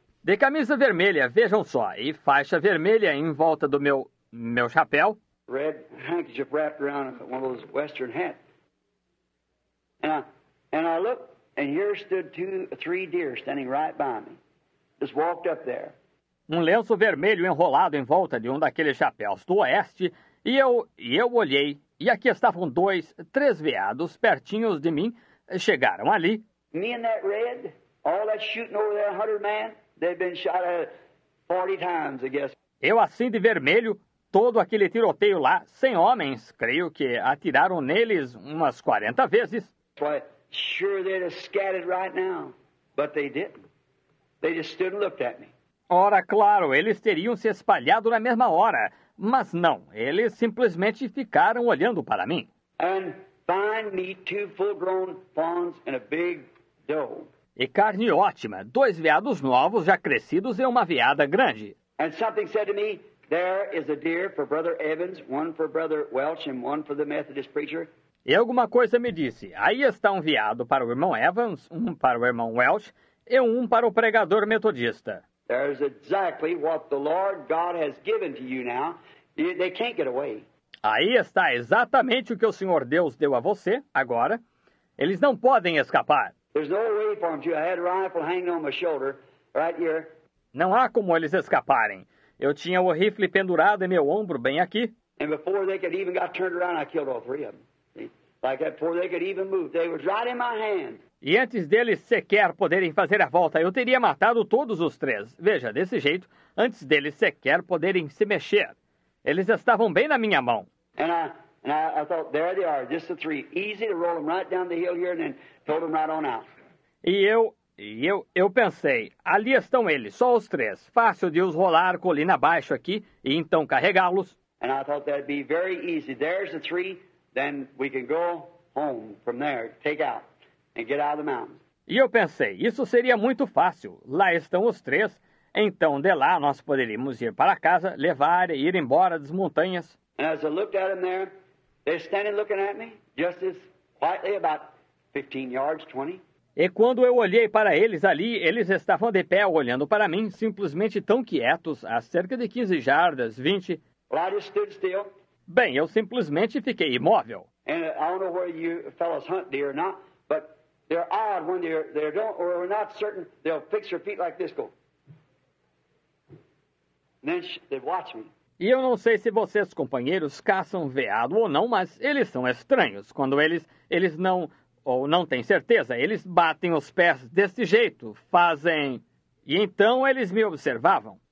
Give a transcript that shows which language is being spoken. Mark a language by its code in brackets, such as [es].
[pt] De camisa vermelha, vejam só, e faixa vermelha em volta do meu chapéu. [en] Red handkerchief wrapped around one of those western hats. And I looked, and here stood three deer standing right by me. Just walked up there. [pt] Um lenço vermelho enrolado em volta de um daqueles chapéus do oeste, e eu olhei, e aqui estavam três veados pertinhos de mim, chegaram ali. [en] Me and that red, all that shooting over there, 100 men, they've been shot at 40 times, I guess. [pt] Eu assim de vermelho, todo aquele tiroteio lá, 100 homens, creio que atiraram neles umas 40 vezes. [en] Why, sure they'd have scattered right now, but they didn't. They just stood and looked at me. [pt] Ora, claro, eles teriam se espalhado na mesma hora, mas não, eles simplesmente ficaram olhando para mim. [en] And find me two full-grown fawns and a big doe. [pt] E carne ótima, dois veados novos já crescidos e uma veada grande. [en] And something said to me, there is a deer for Brother Evans, one for Brother Welch and one for the Methodist preacher. [pt] E alguma coisa me disse, aí está um veado para o irmão Evans, um para o irmão Welch e um para o pregador metodista. [en] There's exactly what the Lord God has given to you now. They can't get away. [pt] Aí está exatamente o que o Senhor Deus deu a você agora. Eles não podem escapar. [en] There's no way for them to. I had a rifle hanging on my shoulder right here. [pt] Não há como eles escaparem. Eu tinha o rifle pendurado em meu ombro bem aqui. [en] And before they could even got turned around, I killed all three of them. Like that, before they could even move, they were right in my hand. [pt] E antes deles sequer poderem fazer a volta, eu teria matado todos os três. Veja, desse jeito, antes deles sequer poderem se mexer. Eles estavam bem na minha mão. [en] And I thought, there they are, just the three. Easy to roll them right down the hill here and then throw them right on out. [pt] E eu pensei, ali estão eles, só os três. Fácil de os rolar colina abaixo aqui e então carregá-los. [en] And I thought that'd be very easy. There's the three, then we can go home from there, take out. And get out of the mountains. [pt] E eu pensei, isso seria muito fácil. Lá estão os três. Então, de lá, nós poderíamos ir para casa, levar e ir embora das montanhas. [en] And as I looked at them there, they're standing looking at me, just as quietly, about 15 yards, 20. [pt] E quando eu olhei para eles ali, eles estavam de pé olhando para mim, simplesmente tão quietos, a cerca de 15 jardas, 20. [en] Well, I just stood still. [pt] Bem, eu simplesmente fiquei imóvel. [en] And I don't know where you fellows hunt deer or not. They're odd when they don't, or we're not certain, they'll fix their feet like this, go. And then they'd watch me. [pt] E eu não sei se vocês, companheiros, caçam veado ou não, mas eles são estranhos. Quando eles não, ou não têm certeza, eles batem os pés deste jeito, fazem... E então eles me observavam.